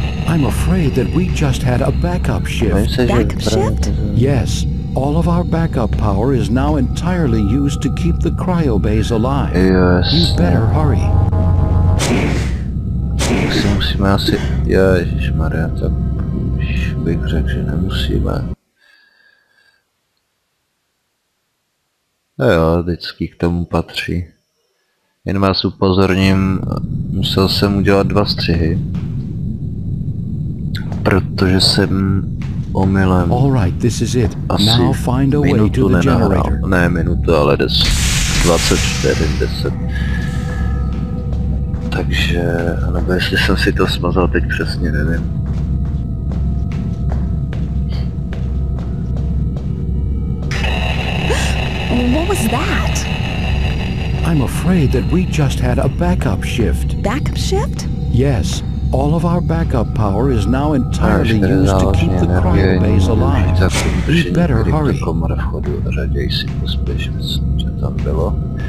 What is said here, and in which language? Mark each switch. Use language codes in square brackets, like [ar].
[en] I'm afraid that we just had a backup shift. Yes. All of our backup power is now entirely used to keep the cryobays alive. Yes. You better hurry. [cs] Se musíme asi... Ježišmarja, tak už bych řekl, že nemusíme. No jo, vždycky k tomu patří. Jen vás upozorním, musel jsem udělat dva střihy. Protože jsem... omylem. [en] All right, this is it. Asi now find a way to the generator. [cs] Ne, minutu, ale 10:24. Takže, nebo jestli jsem si to smazal, teď přesně nevím. [en] What was that? I'm afraid that we just had a backup shift. Backup shift? Yes. All of our backup power is now entirely used to keep the cryobase alive. You'd better hurry. [cs] Komora vchodu, raději si pospěšme, co tam bylo.